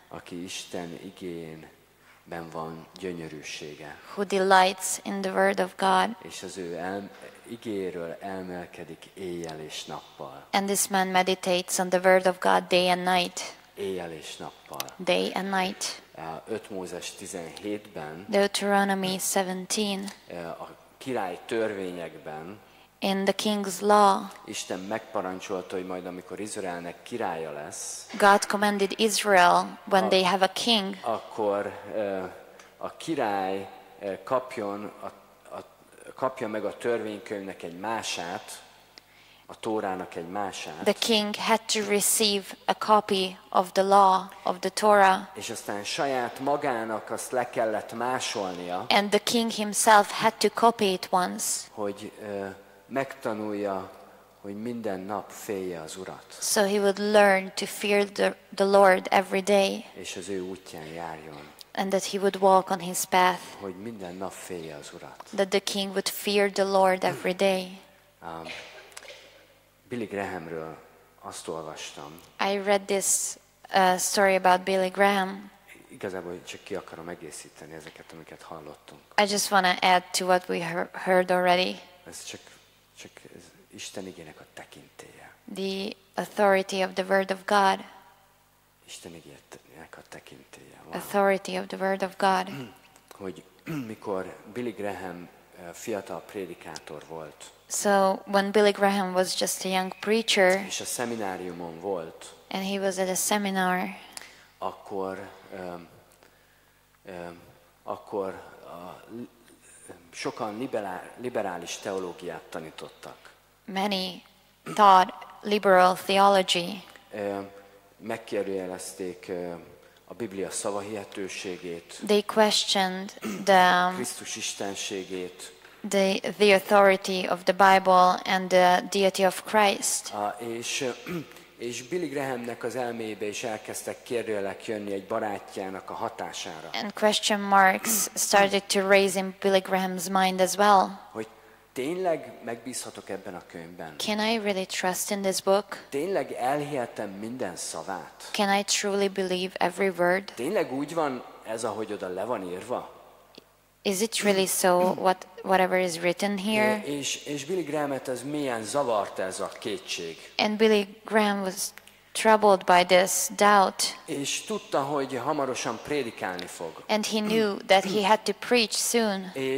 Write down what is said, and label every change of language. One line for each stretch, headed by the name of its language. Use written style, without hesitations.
Hungarian: aki Isten igényben van gyönyörűsége,
English: who delights in the word of God.
Hungarian: És az ő igéről elmélkedik éjjel és nappal.
English: And this man meditates on the word of God day and night.
Hungarian: Éjjel és nappal.
English: Day and night.
Hungarian: 5 Mózes 17-ben.
English: Deuteronomy 17.
Hungarian: A király törvényekben.
English: in the king's law.
Hungarian: Isten megparancsolta, hogy majd amikor Izraelnek királya lesz.
English: God commanded Israel when they have a king.
Hungarian: Akkor a király kapjon kapja meg a törvénykönyvnek egy mását, a Tórának egy mását.
English: The king had to receive a copy of the law of the Torah.
Hungarian: És aztán saját magának azt le kellett másolnia.
English: And the king himself had to copy it once.
Hungarian: Hogy megtanulja, hogy minden nap félje az Urat.
English: So he would learn to fear the Lord every day.
Hungarian: És az ő útján járjon.
English: And that he would walk on his path.
Hungarian: Hogy minden nap félje az Urat.
English: That the king would fear the Lord every day.
Hungarian: Billy Grahamről azt olvastam.
English: I read this story about Billy Graham.
Hungarian: Igazából csak ki akarom egészíteni ezeket, amiket hallottunk.
English: I just want to add to what we heard already.
Hungarian: Ez csak ez Isten igének a tekintélye.
English: The authority of the word of God.
Hungarian: Isten igének a tekintélye.
English: Wow. Authority of the word of God.
Hungarian: Hogy mikor Billy Graham fiatal prédikátor volt.
English: So when Billy Graham was just a young preacher.
Hungarian: És a szemináriumon volt.
English: And he was at a seminar.
Hungarian: Akkor akkor sokan liberális teológiát tanítottak.
English: Many taught liberal theology.
Hungarian: Megkérdőjelezték a Biblia szavahihetőségét.
English: They questioned the
Hungarian: Krisztus istenségét.
English: The authority of the Bible and the deity of Christ.
Hungarian: És Billy Grahamnek az elmébe is elkezdtek kérdőjelek jönni egy barátjának a hatására.
English: And question marks started to raise in Billy Graham's mind as well.
Hungarian: Hogy tényleg megbízhatok ebben a könyvben?
English: Can I really trust in this book?
Hungarian: Tényleg elhihetem minden szavát?
English: Can I truly believe every word?
Hungarian: Tényleg úgy van ez, ahogy oda le van írva?
English: Is it really so whatever is written here?
Hungarian: És Billy Graham-et ez milyen zavart ez a kétség.
English: And Billy Graham was troubled by this doubt.
Hungarian: És tudta, hogy hamarosan prédikálni fog.
English: And he knew that he had to preach soon.